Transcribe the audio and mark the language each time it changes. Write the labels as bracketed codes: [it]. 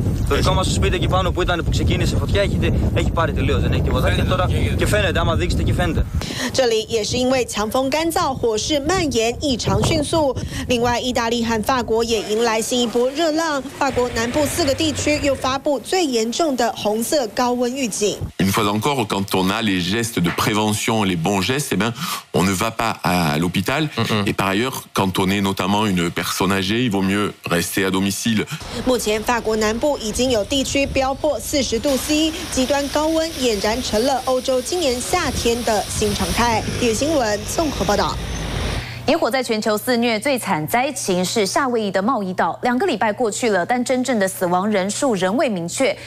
[el] Το δικό μας σπίτι εκεί πάνω που ήταν που ξεκίνησε φωτιά έχει πάρει τελείως, δεν έχει τίποτα. Και τώρα και φαίνεται, άμα δείξετε και φαίνεται. [zh] 这里也是因为强风干燥，火势蔓延异常迅速。另外，意大利和法国也迎来新一波热浪。法国南部四个地区又发布最严重的红色高温预警。 [fr] Une fois encore, quand on a les gestes de prévention, les bons gestes, eh bien, on ne va pas à l'hôpital. Et par ailleurs, quand on est notamment une personne âgée, il vaut mieux rester à domicile. [zh] 目前，法国南部已经有地区飙破40°C， 极端高温俨然成了欧洲今年夏天的新常态。叶新闻综合报道。野火在全球肆虐，最惨灾情是夏威夷的茂宜岛。两个礼拜过去了，但真正的死亡人数仍未明确。